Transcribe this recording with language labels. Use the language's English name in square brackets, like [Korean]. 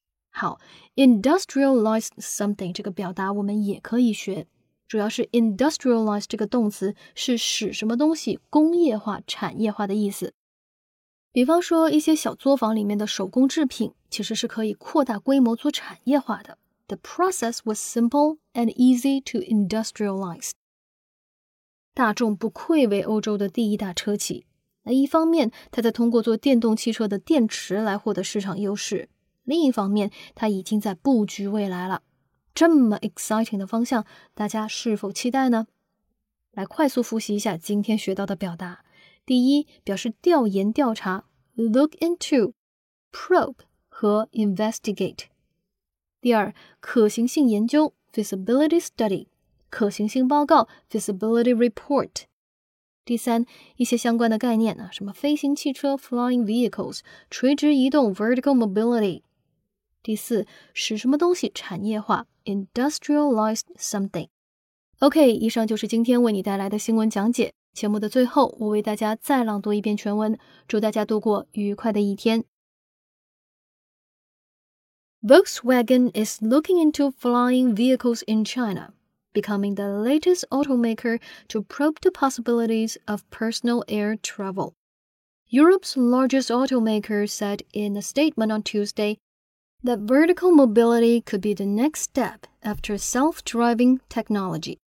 [Chinese] 好 ,industrialize something 这个表达我们也可以学。主要是 industrialize 这个动词是使什么东西工业化产业化的意思。比方说一些小作坊里面的手工制品其实是可以扩大规模做产业化的。 [English] The process was simple and easy to industrialize. [Chinese] 大众不愧为欧洲的第一大车企。那一方面它在通过做电动汽车的电池来获得市场优势。另一方面它已经在布局未来了。这么 exciting 的方向大家是否期待呢？来快速复习一下今天学到的表达。第一表示调研调查 look into, probe, 和 investigate。第二可行性研究 feasibility study, 可行性报告 feasibility report。第三一些相关的概念什么飞行汽车 flying vehicles, 垂直移动 vertical mobility。第四使什么东西产业化 industrialize something。 OK, 以上就是今天为你带来的新闻讲解。节目的最后，我为大家再朗读一遍全文，祝大家度过愉快的一天。 [English] Volkswagen is looking into flying vehicles in China, becoming the latest automaker to probe the possibilities of personal air travel. Europe's largest automaker said in a statement on Tuesday that vertical mobility could be the next step after self-driving technology.